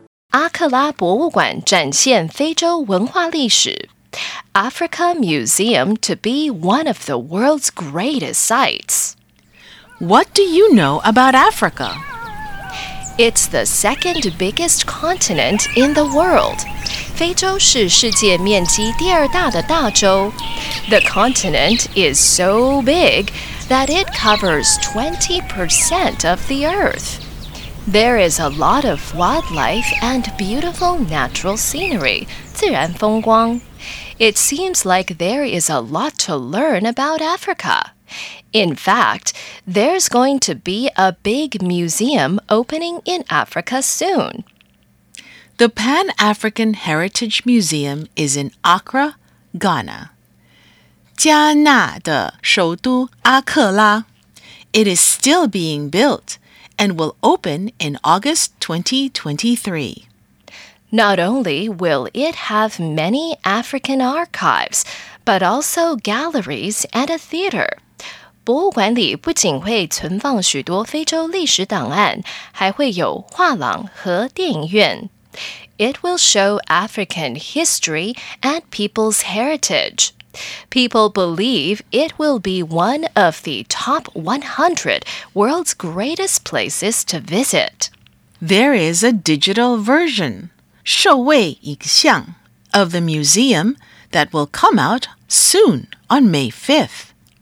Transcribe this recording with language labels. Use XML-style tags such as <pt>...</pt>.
<zh>阿克拉博物馆展现非洲文化历史。</zh> <en>Africa Museum to be one of the world's greatest sites. What do you know about Africa? It's the second biggest continent in the world.</en> <zh>非洲是世界面积第二大的大洲。</zh> <en>The continent is so big that it covers 20% of the earth. There is a lot of wildlife and beautiful natural scenery,</en> <zh>自然风光。</zh> <en>It seems like there is a lot to learn about Africa. In fact, there's going to be a big museum opening in Africa soon. The Pan-African Heritage Museum is in Accra, Ghana.</en> <zh>迦納的首都阿克拉。</zh> <en>It is still being built and will open in August 2023. Not only will it have many African archives, but also galleries and a theater.</en> <zh>博物馆里不仅会存放许多非洲历史档案，还会有画廊和电影院。</zh> <en>It will show African history and people's heritage. People believe it will be one of the top 100 world's greatest places to visit. There is a digital version,</en> <zh>数位影像,</zh> <en>of the museum that will come out soon on May 5th.</en>